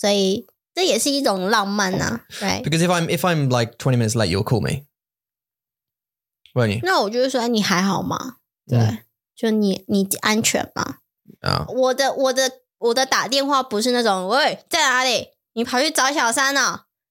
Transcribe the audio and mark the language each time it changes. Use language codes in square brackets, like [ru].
[zh] 这样，对，所以这也是一种浪漫啊。 [en] Right? Because if I'm like 20 minutes late, you'll call me, won't you? [zh] 那我就是说你还好吗？对，就你安全吗？我的打电话不是那种喂在哪里，你跑去找小三了。